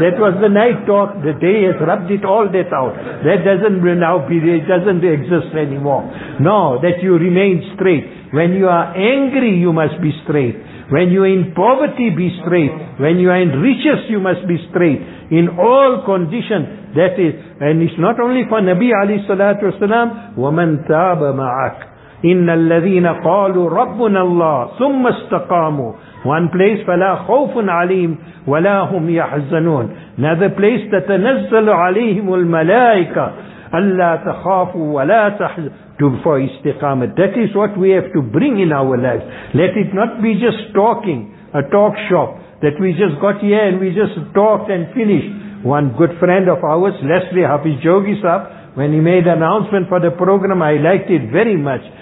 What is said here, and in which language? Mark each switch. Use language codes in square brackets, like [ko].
[en] That was the night talk. The day has rubbed it all that out. That doesn't now be, it doesn't exist anymore. No, that you remain straight. When you are angry, you must be straight. When you are in poverty, be straight. When you are in riches, you must be straight. In all conditions, that is. And it's not only for Nabi alayhi salatu wasalam, [ar] وَمَنْ تَابَ مَعَكَ إِنَّ الَّذِينَ قَالُوا رَبُّنَ اللَّهِ ثُمَّ اسْتَقَامُوا. [en] One place, [ar] فَلَا خَوْفٌ عَلِيمٌ وَلَا هُمْ يَحْزَنُونَ. [en] Another place, [ar] تَتَنَزَّلُ عَلَيْهِمُ الْمَلَائِكَةُ أَلَّا تَخَافُوا وَلَا تَحْزَنُوا. [en] To, for istiqamah. That is what we have to bring in our lives. Let it not be just talking, a talk shop, that we just got here and we just talked and finished. One good friend of ours, Leslie Hafiz Jogi Sahab, when he made announcement for the program, I liked it very much.